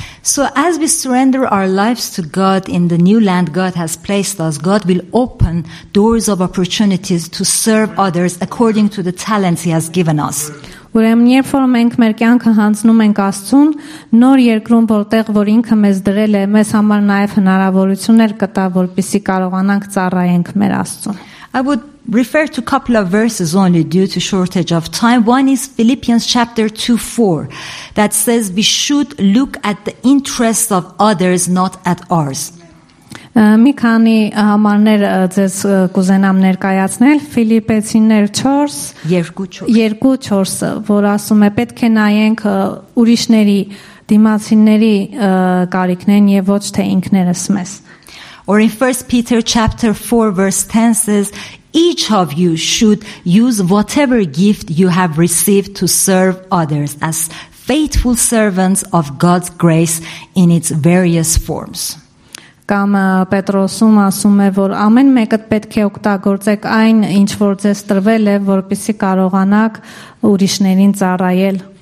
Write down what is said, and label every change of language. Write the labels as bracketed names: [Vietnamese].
[English] So as we surrender our lives to God in the new land God has placed us, God will open doors of opportunities to serve others according to the talents he has given us. [Armenian] Ուրեմն երբ որ մենք մեր կյանքը հանձնում ենք Աստծուն, նոր երկրում, որտեղ որ ինքը մեզ դրել է, մեզ համար նաև հնարավորություններ կտա, որպեսզի կարողանանք ծառայենք մեր Աստծուն. [English] I would refer to a couple of verses only due to shortage of time. One is Philippians chapter 2:4 that says we should look at the interests of others, not at ours. [Armenian] Մի քանի համարներ ձեզ կուզենամ ներկայացնել Ֆիլիպեցիներ 2:4-ը, որ ասում է պետք է նայենք ուրիշների, դիմացիների կարիքներին եւ ոչ թե ինքներս մեզ. [English] Or in 1 Peter chapter 4 verse 10 says each of you should use whatever gift you have received to serve others as faithful servants of God's grace in its various forms. [Armenian] Կամ Պետրոսում ասում է, որ ամեն մեկը պետք է օգտագործեք այն, ինչ որ ձեզ տրվել է, որպեսզի կարողանաք ուրիշներին ծառայել։